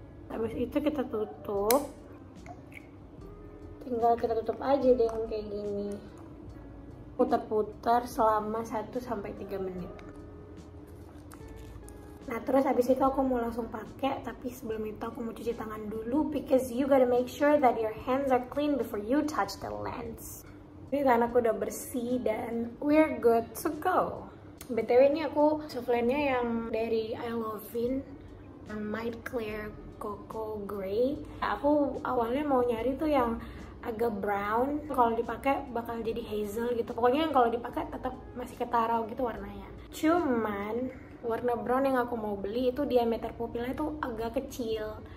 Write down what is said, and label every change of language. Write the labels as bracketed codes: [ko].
[id] Habis itu kita tutup. Tinggal kita tutup aja deh yang kayak gini. Putar-putar selama 1-3 menit. Nah terus abis itu aku mau langsung pakai, tapi sebelum itu aku mau cuci tangan dulu. [en] Because you gotta make sure that your hands are clean before you touch the lens. [id] Ini karena aku udah bersih dan [en] we're good to go. [id] BTW ini aku softlensnya yang dari I Love In, Mite Clear Coco Gray. Aku awalnya mau nyari tuh yang agak brown, kalau dipakai bakal jadi hazel gitu. Pokoknya yang kalau dipakai tetap masih ketara gitu warnanya. Cuman warna brown yang aku mau beli itu diameter pupilnya itu agak kecil.